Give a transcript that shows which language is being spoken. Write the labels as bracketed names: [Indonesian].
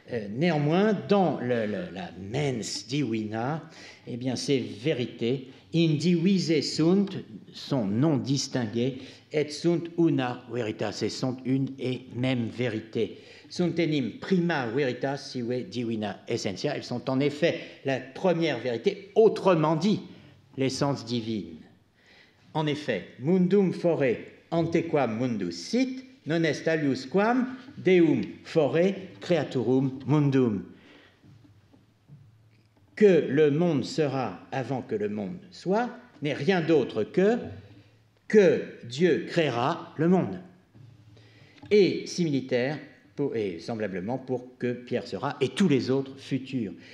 [French] Néanmoins, dans la mens divina, eh bien, ces vérités, [Latin] in divise sunt, [French] sont non distinguées, [Latin] et sunt una veritas, [French] et sont une et même vérité. [Latin] Sunt enim prima veritas sive divina essentia, [French] elles sont en effet la première vérité, autrement dit, l'essence divine. En effet, [Latin] mundum fore antequam mundus sit, non est alius quam deum fore creaturum mundum. [French] Que le monde sera avant que le monde soit n'est rien d'autre que Dieu créera le monde. Et similitaire, et semblablement pour que Pierre sera et tous les autres futurs.